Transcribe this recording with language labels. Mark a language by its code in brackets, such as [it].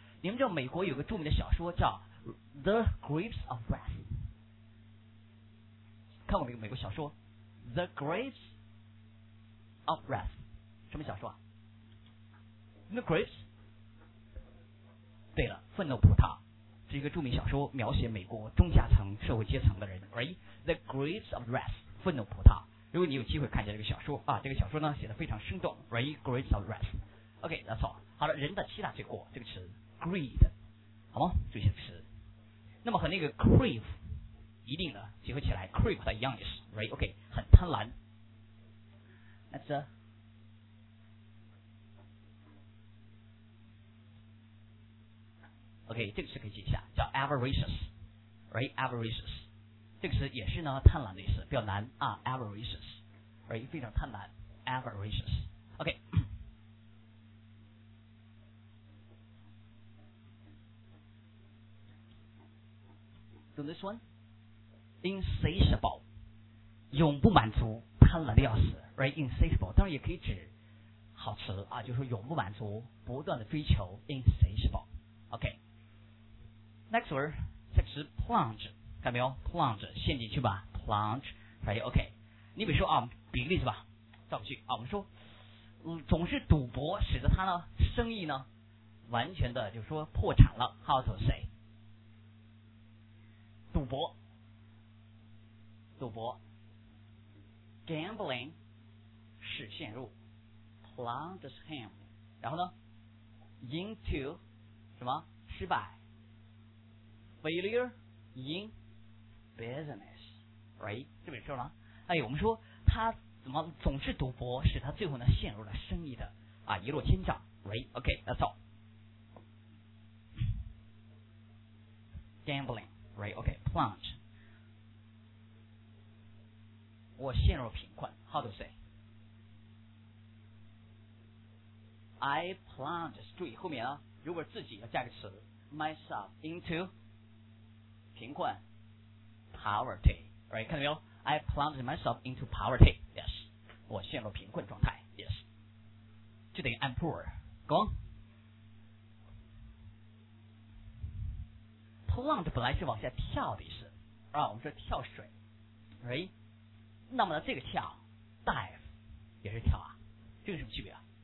[zh] 你们知道美国有个著名的小说叫《The Grapes of Wrath》，看过没有？美国小说《The Grapes of Wrath》，什么小说啊 ？The Grapes。对了，愤怒葡萄是一个著名小说，描写美国中下层社会阶层的人。 [en] Right， The Grapes of Wrath， [zh] 愤怒葡萄。如果你有机会看一下这个小说啊，这个小说呢写得非常生动。 [en] Right， Grapes of Wrath。 OK， that's all。 [zh] 好了，人的七大罪过这个词 ，greed， 好吗？注意这个词。那么和那个 crave， 一定的结合起来 ，crave 的一样意思。 Right， OK， 很贪婪。 [en] That's a OK， [zh] 这个词可以记一下，叫 avaricious， right？ avaricious， 这个词也是呢，贪婪的意思，比较难啊。 [en] avaricious， right？ [zh] 非常贪婪 [en] ，avaricious。 [zh] OK， 懂这说 ？insatiable， 永不满足，贪婪的要死 ，right？ insatiable， 当然也可以指好词啊，就是永不满足，不断的追求 ，insatiable。 [en] OK。 Next word， [zh] 下个词 [en] plunge， 看没有 ？plunge， [zh] 陷进去吧 [en] ，plunge， right？ [zh] OK， 你比如说啊，比个例子吧，造个句啊，我们说，总是赌博使得他呢生意呢完全的就是说破产了 ， [en] how to say？ [zh] 赌博 ，gambling 使陷入 ， [en] plunge him， [zh] 然后呢 ，into 什么失败。 [en] Failure in business, right？ [zh] 这本书呢？哎，我们说他怎么总是赌博，使他最后呢陷入了生意的啊一落千丈 ，right？ [en] OK， that's all。 Gambling, right？ OK， plunge。 [zh] 我陷入贫困 ， [en] how to say？ [zh] I plunge， 注意后面啊，如果自己要加个词 ， [en] myself into。 [zh] 贫困 poverty， right？ 看到没有 ？ [en] I plunged myself into poverty， [zh] yes， 我陷入贫困状态， yes， 就等于 [en] I'm poor， go on。 [zh] plunge 本来是往下跳的意思，啊，我们说跳水， right？那么呢，这个跳 dive 也是跳啊，这个什么区别啊？